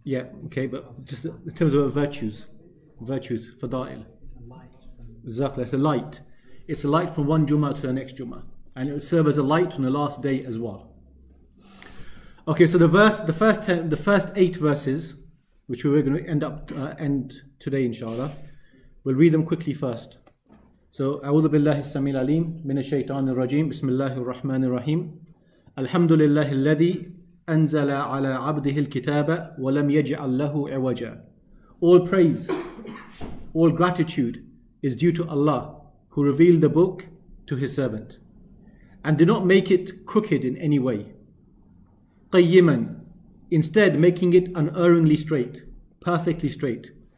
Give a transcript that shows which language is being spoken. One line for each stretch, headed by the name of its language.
English: Yeah, okay, but just in terms of virtues, fadail. It's a light. It's a light from one Jummah to the next Jummah. And it will serve as a light on the last day as well. Okay, so the first eight verses, which we're going to end today, inshallah, we'll read them quickly first.
Arabic: So, أعوذ بالله السميع العليم من الشيطان الرجيم بسم الله الرحمن الرحيم الحمد لله الذي أنزل على عبده الكتاب ولم يجعل له عوجا.
English: All praise, all gratitude is due to Allah who revealed the book to His servant. And do not make it crooked in any way. قَيِّمًا Instead, making it unerringly straight, perfectly straight.